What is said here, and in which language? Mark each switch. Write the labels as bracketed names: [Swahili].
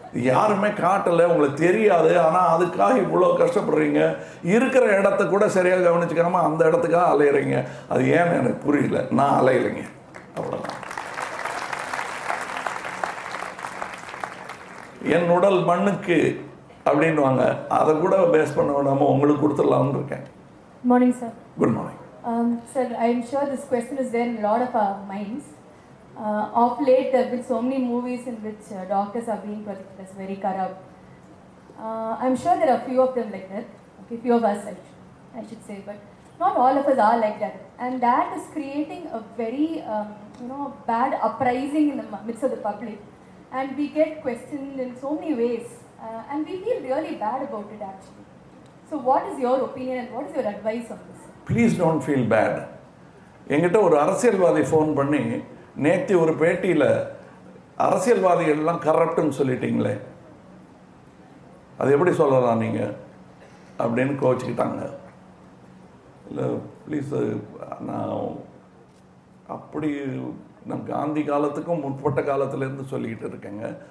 [Tamil] யாருமே காட்டலை, உங்களுக்கு தெரியாது. ஆனால் அதுக்காக இவ்வளோ கஷ்டப்படுறீங்க, இருக்கிற இடத்த கூட சரியாக கவனிச்சுக்காம அந்த இடத்துக்காக அலையிறீங்க. அது ஏன் எனக்கு புரியல, நான் அலையிலைங்க அவ்வளோதான். என் உடல் மண்ணுக்கு அப்படின்வாங்க, அதை கூட பேஸ் பண்ண வேணாம, உங்களுக்கு கொடுத்துடலாம்னு இருக்கேன். [English] Morning sir. Good morning. Sir, I am sure this question is there in a lot of our minds. Of late, there have been so many movies in which doctors are being portrayed as very corrupt. I am sure there are a few of them like that. Okay, few of us, I should say. But not all of us are like that. And that is creating a very, bad uprising in the midst of the public. And we get questioned in so many ways. And we feel really bad about it, actually. So what is your opinion and what is your advice on this? Please don't feel bad. [Tamil] எங்கிட்ட ஒரு அரசியல்வாதி phone பண்ணி நேற்று ஒரு பேட்டியில் அரசியல்வாதிகள்லாம் கரப்டுன்னு சொல்லிட்டீங்களே, அது எப்படி சொல்லலாம் நீங்கள் அப்படின்னு கோச்சிக்கிட்டாங்க. இல்லை ப்ளீஸ், நான் அப்படி நான் காந்தி காலத்துக்கும் முற்பட்ட காலத்திலேருந்து சொல்லிக்கிட்டு இருக்கேங்க.